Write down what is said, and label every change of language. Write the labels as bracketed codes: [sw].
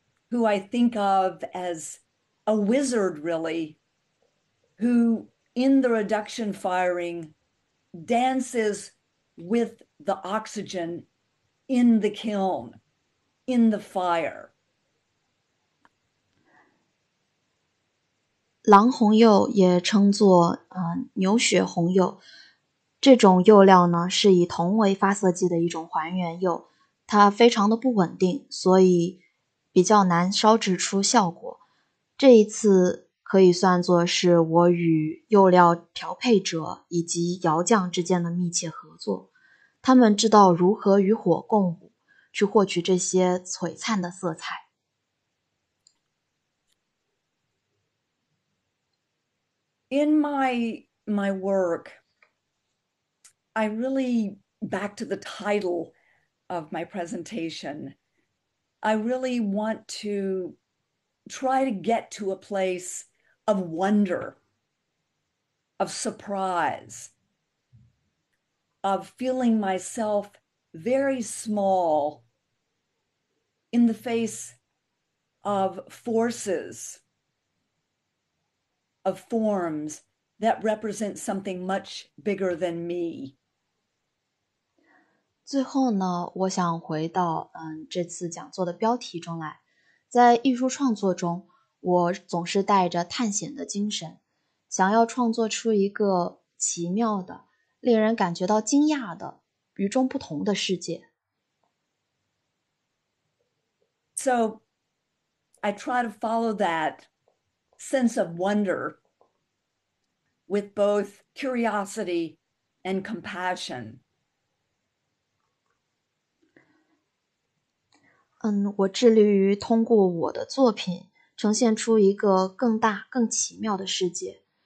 [en] who I think of as a wizard, really, who in the reduction firing dances with the oxygen in the kiln, in the fire. [zh] 狼红釉也称作牛血红釉，这种釉料呢是以铜为发色剂的一种还原釉，它非常的不稳定，所以比较难烧制出效果。这一次可以算作是我与釉料调配者以及窑匠之间的密切合作，他们知道如何与火共舞，去获取这些璀璨的色彩。 [en] In my work, I really, back to the title of my presentation, I really want to try to get to a place of wonder, of surprise, of feeling myself very small in the face of forces, of forms that represent something much bigger than me. [zh] 最后呢，我想回到这次讲座的标题中来。在艺术创作中，我总是带着探险的精神，想要创作出一个奇妙的、令人感觉到惊讶的、与众不同的世界。 [en] So I try to follow that sense of wonder with both curiosity and compassion. [zh] 我致力于通过我的作品呈现出一个更大、更奇妙的世界。